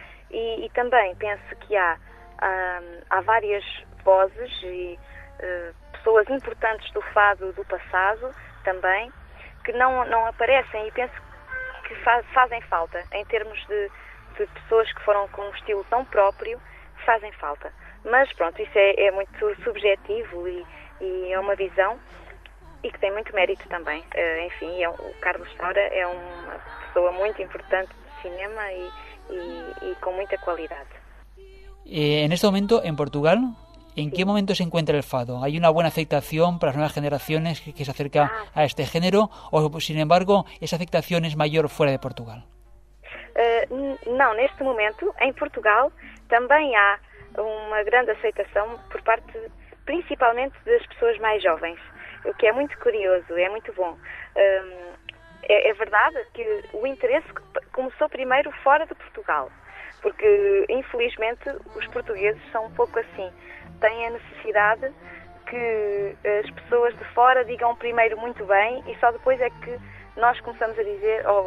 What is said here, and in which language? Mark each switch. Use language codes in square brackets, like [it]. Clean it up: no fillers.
[pt] E também penso que há várias vozes e pessoas importantes do fado do passado também, que não aparecem e penso que fazem falta, em termos de pessoas que foram com um estilo tão próprio, que fazem falta. Mas pronto, isso é muito subjetivo e é uma visão e que tem muito mérito também. O Carlos Saura é uma pessoa muito importante de cinema e com muita qualidade. [es] En este momento, en Portugal, ¿en qué momento se encuentra el fado? ¿Hay una buena aceptación para las nuevas generaciones que se acerca a este género? ¿O, sin embargo, esa aceptación es mayor fuera de Portugal? [pt] No, neste momento, em Portugal, também há uma grande aceitação por parte, principalmente, das pessoas mais jovens, o que é muito curioso, é muito bom. É verdade que o interesse começou primeiro fora de Portugal, porque, infelizmente, os portugueses são um pouco assim, têm a necessidade que as pessoas de fora digam primeiro muito bem e só depois é que nós começamos a dizer...